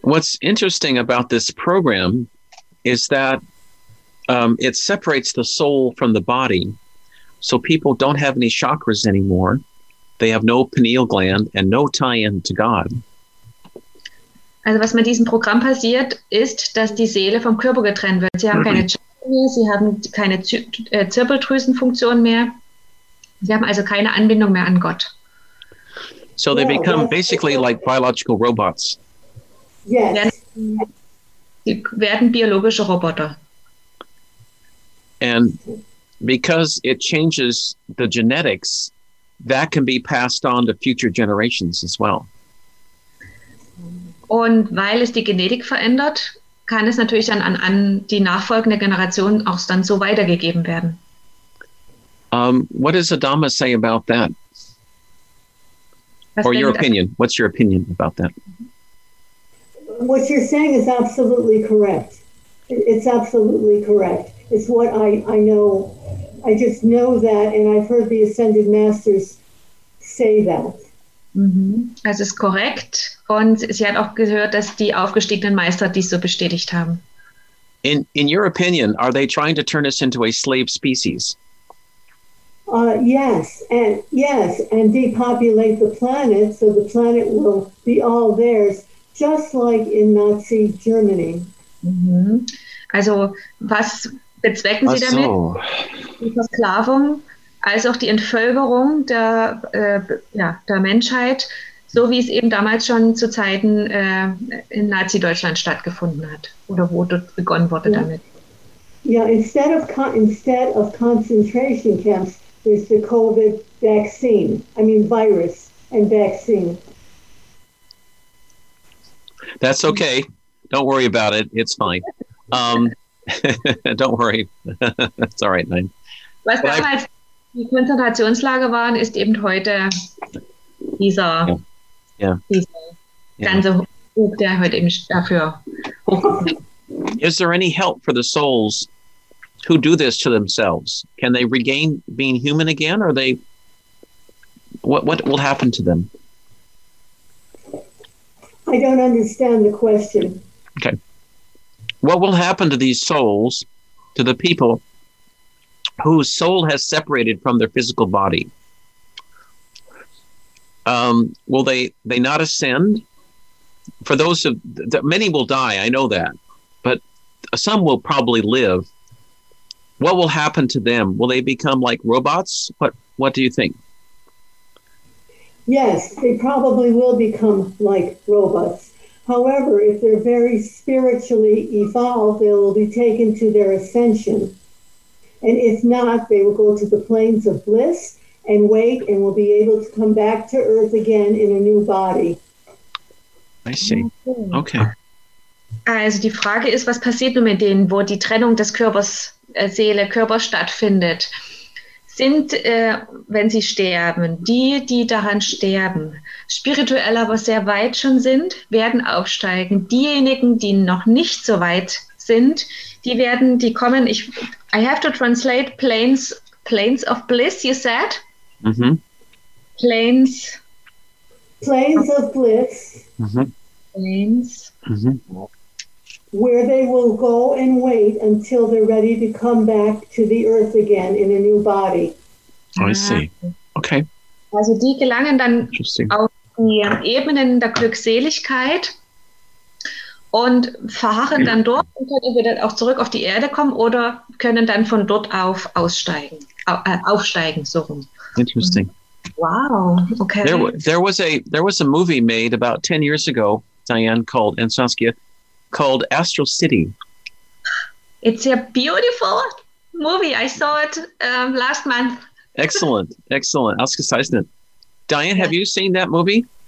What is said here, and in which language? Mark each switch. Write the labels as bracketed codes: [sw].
[en] What's interesting about this program is that it separates the soul from the body. So people don't have any chakras anymore. They have no pineal gland and no tie-in to God. [de] Also was mit diesem Programm passiert, ist, dass die Seele vom Körper getrennt wird. Sie haben keine Chakras mehr, sie haben keine Zirbeldrüsenfunktion mehr. Sie haben also keine Anbindung mehr an Gott. [en] So they become basically like biological robots. Yes. [de] Sie werden biologische Roboter. [en] And because it changes the genetics, that can be passed on to future generations as well. [de] Und weil es die Genetik verändert, kann es natürlich dann an die nachfolgende Generation auch dann so weitergegeben werden. [en] What does Adama say about that? Or your opinion? What's your opinion about that? What you're saying is absolutely correct. It's absolutely correct. It's what I know. I just know that, and I've heard the Ascended Masters say that. Mm-hmm. [de] Also ist korrekt, und sie hat auch gehört, dass die aufgestiegenen Meister dies so bestätigt haben. [en] In your opinion, are they trying to turn us into a slave species? Yes, and depopulate the planet, so the planet will be all theirs, just like in Nazi Germany. [de] Mm-hmm. Also, was bezwecken Sie damit? Die Versklavung, als auch die Entvölkerung der Menschheit, so wie es eben damals schon zu Zeiten in Nazi-Deutschland stattgefunden hat, oder wo dort begonnen wurde damit. [en] Yeah, instead of concentration camps, there's the COVID virus and vaccine. That's okay. Don't worry about it. It's fine. don't worry. It's all right, man. [de] Was damals die Konzentrationslager waren, ist eben heute dieser ganze Hub, der heute eben dafür hochkommt. [en] Is there any help for the souls who do this to themselves? Can they regain being human again? Or they, what will happen to them? I don't understand the question. Okay. What will happen to these souls, to the people whose soul has separated from their physical body? Will they not ascend? For those of, many will die, I know that, but some will probably live. What will happen to them? Will they become like robots? What do you think? Yes, they probably will become like robots. However, if they're very spiritually evolved, they will be taken to their ascension. And if not, they will go to the planes of bliss and wake and will be able to come back to Earth again in a new body. I see. Okay. [de] Also die Frage ist, was passiert nun mit denen, wo die Trennung des Körpers, Seele, Körper stattfindet? Sind, wenn sie sterben, die daran sterben, spirituell aber sehr weit schon sind, werden aufsteigen. Diejenigen, die noch nicht so weit sind, die kommen, [en] I have to translate planes of bliss, you said? Mm-hmm. Planes of bliss. Mm-hmm. Planes. Mm-hmm. Where they will go and wait until they're ready to come back to the earth again in a new body. I see. Okay. [de] Also die gelangen dann auf die Ebenen der Glückseligkeit und verharren dann dort und können wir dann auch zurück auf die Erde kommen oder können dann von dort auf aufsteigen so rum. [en] Interesting. Wow. Okay. There was a movie made about 10 years ago, Diane, called Astral City. It's a beautiful movie. I saw it last month. Excellent. Ausgezeichnet. Diane, yeah. Have you seen that movie?